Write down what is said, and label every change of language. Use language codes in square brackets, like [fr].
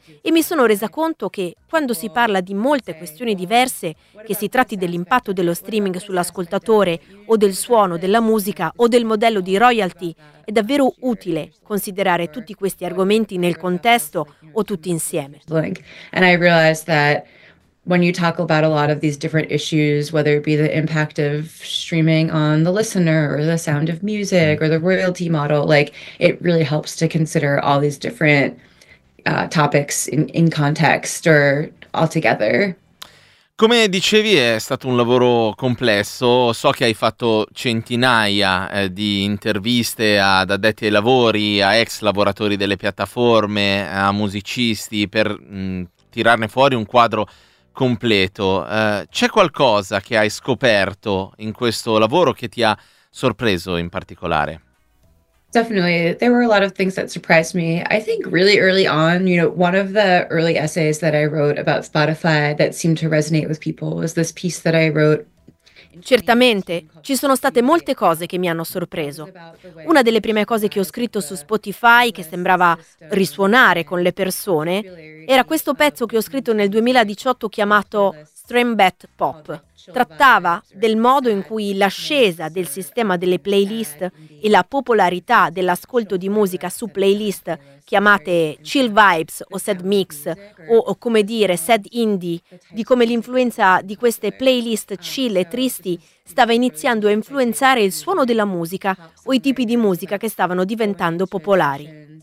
[it] E mi sono resa conto che, quando si parla di molte questioni diverse, che si tratti dell'impatto dello streaming sull'ascoltatore, o del suono, della musica, o del modello di royalty, è davvero utile considerare tutti questi argomenti nel contesto o tutti insieme. [en] And I realized that when you talk about a lot of these different issues, whether it be the impact of streaming on the listener or the sound of music or the royalty model, like it really helps to consider all these different topics in context or altogether. [it] Come dicevi, è stato un lavoro complesso. So che hai fatto centinaia di interviste ad addetti ai lavori, a ex lavoratori delle piattaforme, a musicisti, per tirarne fuori un quadro completo. C'è qualcosa che hai scoperto in questo lavoro che ti ha sorpreso in particolare? [en] Definitely, there were a lot of things that surprised me. I think really early on, you know, one of the early essays that I wrote about Spotify that seemed to resonate with people was this piece that I wrote. [it] Certamente, ci sono state molte cose che mi hanno sorpreso. Una delle prime cose che ho scritto su Spotify, che sembrava risuonare con le persone, era questo pezzo che ho scritto nel 2018 chiamato Strembet Pop. Trattava del modo in cui l'ascesa del sistema delle playlist e la popolarità dell'ascolto di musica su playlist chiamate Chill Vibes o Sad Mix o, come dire, Sad Indie, di come l'influenza di queste playlist chill e tristi stava iniziando a influenzare il suono della musica o i tipi di musica che stavano diventando popolari.